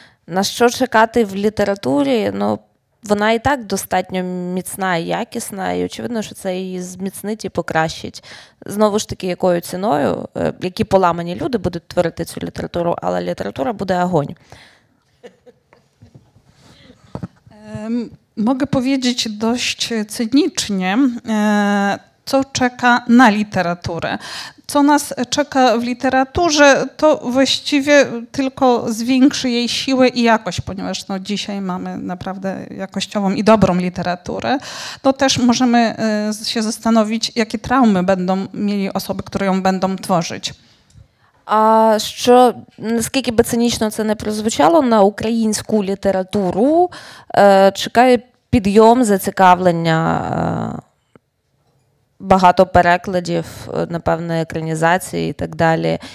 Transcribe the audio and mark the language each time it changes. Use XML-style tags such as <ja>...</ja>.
<uk>На що чекати в літературі? Ну, вона і так достатньо міцна і якісна, і очевидно, що це її зміцнить і покращить. Знову ж таки, якою ціною, які поламані люди будуть творити цю літературу, але література буде огонь. Можу повідати дощ цинічне.</uk> <pl>Co czeka na literaturę. Co nas czeka w literaturze, to właściwie tylko zwiększy jej siłę i jakość, ponieważ no, dzisiaj mamy naprawdę jakościową i dobrą literaturę. To też możemy się zastanowić, jakie traumy będą mieli osoby, które ją będą tworzyć.</pl> <uk>А що, наскільки би цинічно це не прозвучало, на українську літературу чекає підйом зацікавлення багато перекладів, напевно, екранізації і так далі.</uk>